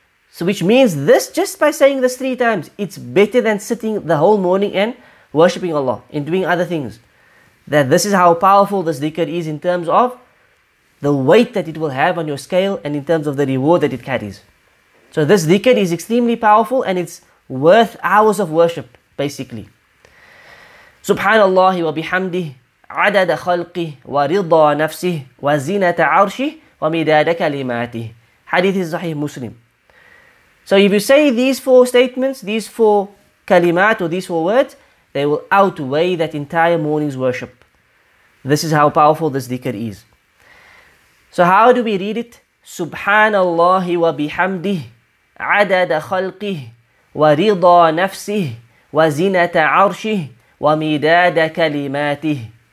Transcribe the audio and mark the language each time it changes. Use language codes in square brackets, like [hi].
[en] So which means this, just by saying this 3 times, it's better than sitting the whole morning and worshipping Allah and doing other things. That this is how powerful this dhikr is in terms of the weight that it will have on your scale and in terms of the reward that it carries. So this dhikr is extremely powerful and it's worth hours of worship, basically. [ar] Subhanallah wa bihamdih, عدد خلقه ورضا نفسه وزينة عرشه ومداد كلماته. [en] Hadith is Sahih Muslim. So if you say these 4 statements, these 4 kalimat or these 4 words, they will outweigh that entire morning's worship. This is how powerful this dhikr is. So how do we read it? [ar] Subhanallah wa bihamdih, عدد خلقه ورضا نفسه وزينة عرشه ومداد كلماته.